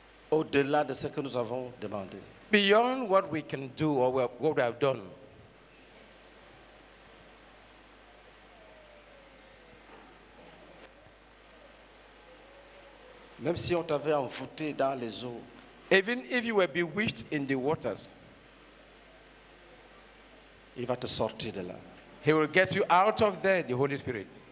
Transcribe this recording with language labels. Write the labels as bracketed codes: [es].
[fr] Au-delà de ce que nous avons demandé. [en] Beyond what we can do or what we have done. [fr] Même si on t'avait envoûté dans les eaux. [en] Even if you were bewitched in the waters. [fr] Il va te sortir de là. [en] He will get you out of there, the Holy Spirit.